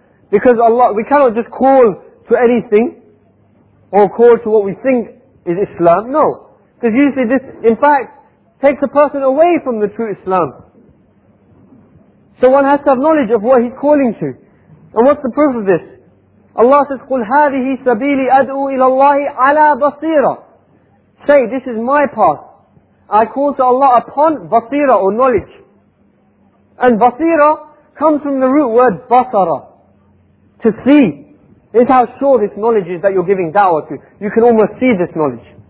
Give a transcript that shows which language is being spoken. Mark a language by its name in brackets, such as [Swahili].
[English] Because Allah, we cannot just call to anything, or call to what we think is Islam, no. Because usually this, in fact, takes a person away from the true Islam. So one has to have knowledge of what he's calling to. And what's the proof of this? Allah says, [Arabic] قُلْ هَذِهِ سَبِيلِ أَدْعُوا إِلَى اللَّهِ عَلَى بَصِيرًا [English] say, this is my path. I call to Allah upon basira or knowledge. And basira comes from the root word basara, to see. It's how sure this knowledge is that you're giving da'wah to. You can almost see this knowledge.